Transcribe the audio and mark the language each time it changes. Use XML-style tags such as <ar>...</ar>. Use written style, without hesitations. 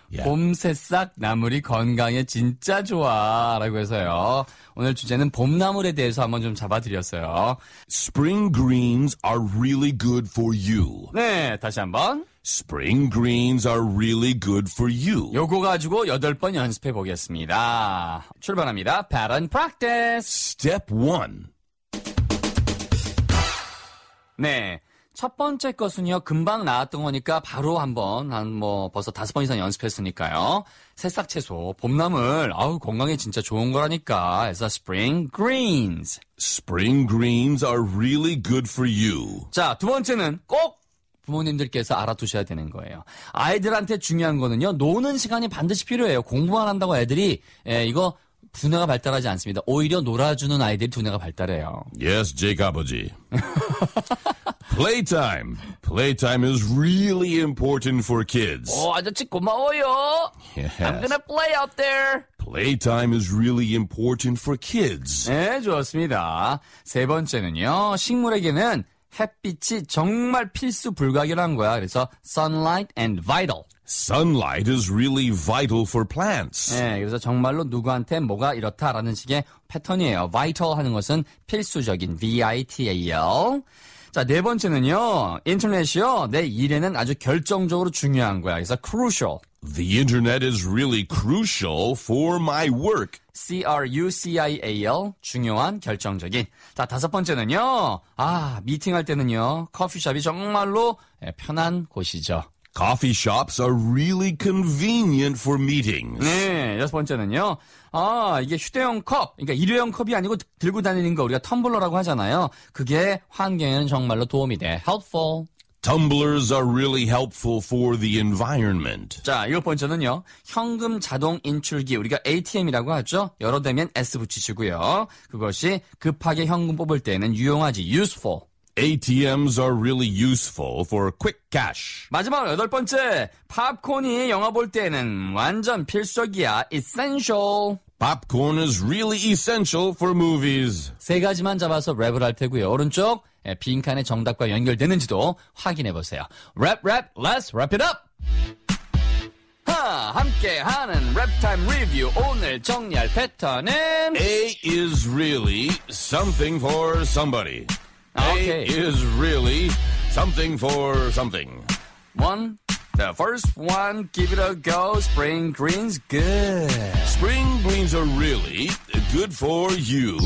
<ko>봄 새싹 나물이 건강에 진짜 좋아라고 해서요. 오늘 주제는 봄나물에 대해서 한번 좀 잡아드렸어요.</ko> <en>Spring greens are really good for you.</en> <ko>네, 다시 한번.</ko> <en>Spring greens are really good for you.</en> <ko>요거 가지고 여덟 번 연습해 보겠습니다.</ko> <en>출발합니다. Pattern practice. Step 1.</en> <ko>네. 첫 번째 것은요, 금방 나왔던 거니까 바로 한 번, 벌써 다섯 번 이상 연습했으니까요. 새싹 채소, 봄나물, 아우, 건강에 진짜 좋은 거라니까.</ko> <en>그래서 spring greens. Spring greens are really good for you.</en> <ko>자, 두 번째는 꼭 부모님들께서 알아두셔야 되는 거예요. 아이들한테 중요한 거는요, 노는 시간이 반드시 필요해요. 공부만 한다고 애들이, 이거, 두뇌가 발달하지 않습니다. 오히려 놀아주는 아이들이 두뇌가 발달해요.</ko> <en>Yes, Jake 아버지. Playtime. Playtime is really important for kids.</en> <ko>오, 아저씨 고마워요.</ko> <en>Yes. I'm gonna play out there. Playtime is really important for kids.</en> <ko>네, 좋습니다. 세 번째는요. 식물에게는 햇빛이 정말 필수 불가결한 거야.</ko> <en>그래서 sunlight and vital. Sunlight is really vital for plants.</en> <ko>네, 그래서 정말로 누구한테 뭐가 이렇다라는 식의 패턴이에요. Vital 하는 것은 필수적인, V-I-T-A-L. 자, 네 번째는요. 인터넷이요. 내 일에는 아주 결정적으로 중요한 거야. 그래서 crucial.</ko> <en>The internet is really crucial for my work.</en> <ko>C-R-U-C-I-A-L. 중요한, 결정적인. 자, 다섯 번째는요. 아, 미팅할 때는요. 커피숍이 정말로 편한 곳이죠.</ko> <en>Coffee shops are really convenient for meetings.</en> <ko>네, 여섯 번째는요. 아, 이게 휴대용 컵. 그러니까 일회용 컵이 아니고 들고 다니는 거 우리가 텀블러라고 하잖아요. 그게 환경에는 정말로 도움이 돼.</ko> <en>Helpful. Tumblers are really helpful for the environment.</en> <ko>자, 일곱 번째는요. 현금 자동 인출기. 우리가 ATM이라고 하죠. 열어대면 S 붙이시고요. 그것이 급하게 현금 뽑을 때는 유용하지.</ko> <en>Useful. ATMs are really useful for quick cash.</en> <ko>마지막 여덟 번째, 팝콘이 영화 볼 때는 완전 필수적이야.</ko> <en>Essential. Popcorn is really essential for movies.</en> <ko>세 가지만 잡아서 랩을 할 테고요. 오른쪽 빈칸의 정답과 연결되는지도 확인해 보세요.</ko> <en>Rap, rap, let's wrap it up.</en> <ko>함께하는 랩타임 리뷰 오늘 정리할 패턴은</ko> <en>A is really something for somebody. Okay. A is really something for something. One, the first one, give it a go. Spring greens, good. Spring greens are really good for you.</en>